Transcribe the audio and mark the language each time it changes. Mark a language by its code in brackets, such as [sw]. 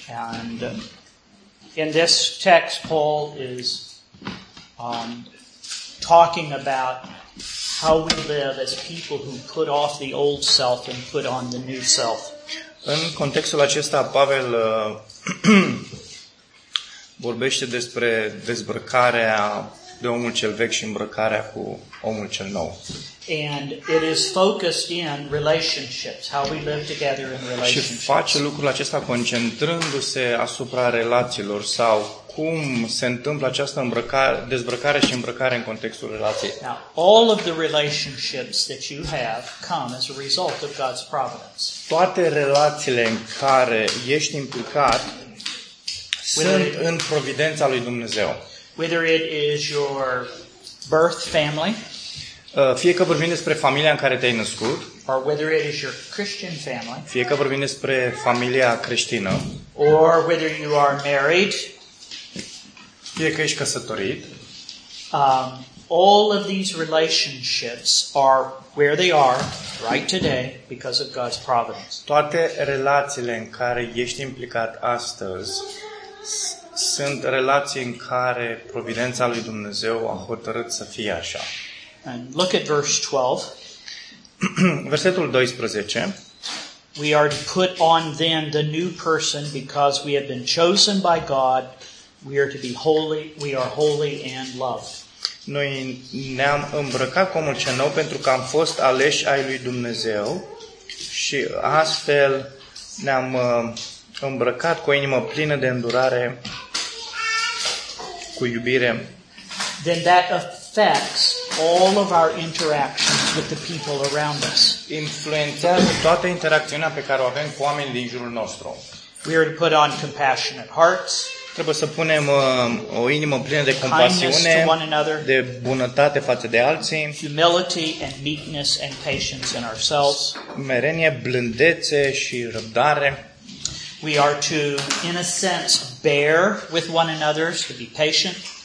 [en] And in this text Paul is talking about how we live as people who put off the old self and put on the new self. [ro] În contextul acesta Pavel vorbește despre dezbrăcarea de omul cel vechi și îmbrăcarea cu omul cel nou. [en] And it is focused in relationships, how we live together in relationships. [ro] Și face lucrul acesta concentrându-se asupra relațiilor sau cum se întâmplă această dezbrăcare și îmbrăcare în contextul relației. [en] Now, all of the relationships that you have come as a result of God's providence. [ro] Toate relațiile în care ești implicat sunt în providența lui Dumnezeu. [en] Whether it is your birth family, [ro] fie că vorbim despre familia în care te-ai născut, [en] or whether it is your Christian family, [ro] fie că vorbim despre familia creștină, [en] or whether you are married, [ro] fie că ești căsătorit, [en] all of these relationships are where they are right today because of God's providence. [ro] Toate relațiile în care ești implicat astăzi sunt relații în care providența lui Dumnezeu a hotărât să fie așa. [en] And look at verse 12. [ro] Versetul 12. [en] We are to put on then the new person because we have been chosen by God. We are to be holy. We are holy and loved. [ro] Noi ne-am îmbrăcat cu omul cel nou pentru că am fost aleși ai lui Dumnezeu și astfel ne-am îmbrăcat cu o inimă plină de îndurare, cu iubire. [en] Then that affects all of our interactions with the people around us. [ro] Influențează toată interacțiunea pe care o avem cu oamenii din jurul nostru. [en] We are to put on compassionate hearts. [ro] Trebuie să punem o inimă plină de compasiune, de bunătate față de alții. [en] Humility and meekness and patience in ourselves. [ro] Smerenie, blândețe și răbdare. [en] We are to, in a sense, bear with one another, to be patient.